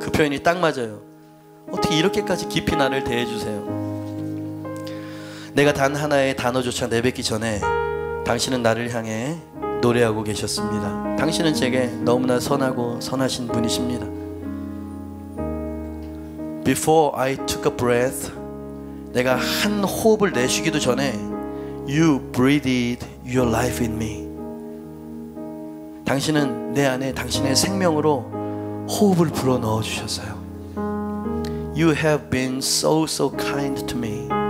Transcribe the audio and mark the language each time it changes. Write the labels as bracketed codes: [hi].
[ko] 그 표현이 딱 맞아요. 어떻게 이렇게까지 깊이 나를 대해주세요. 내가 단 하나의 단어조차 내뱉기 전에 당신은 나를 향해 노래하고 계셨습니다. 당신은 제게 너무나 선하고 선하신 분이십니다. [en] Before I took a breath, [ko] 내가 한 호흡을 내쉬기도 전에 [en] You breathed your life in me. [ko] 당신은 내 안에 당신의 생명으로 호흡을 불어넣어 주셨어요. [en] You have been so so kind to me.